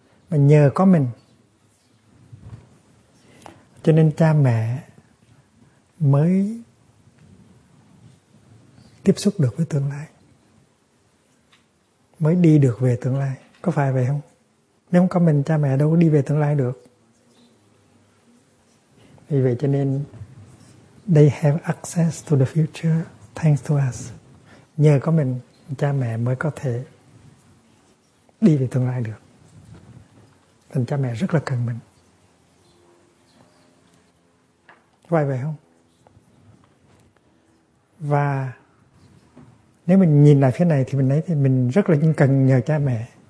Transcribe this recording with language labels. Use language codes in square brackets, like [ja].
[vi] Mà nhờ có mình, cho nên cha mẹ mới tiếp xúc được với tương lai, mới đi được về tương lai. Có phải vậy không? Nếu không có mình, cha mẹ đâu có đi về tương lai được. Vì vậy cho nên [en] they have access to the future thanks to us. [vi] Nhờ có mình, cha mẹ mới có thể đi về tương lai được. Thành cha mẹ rất là cần mình. Vậy vậy không? Và nếu mình nhìn lại phía này thì mình thấy thì mình rất là cần nhờ cha mẹ.